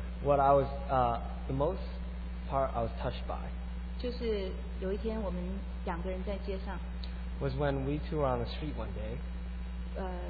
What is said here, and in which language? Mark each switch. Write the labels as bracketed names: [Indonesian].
[English] what I was, the most part I was touched by, [Chinese] 就是有一天我们两个人在街上, [English] was when we two were on the street one day,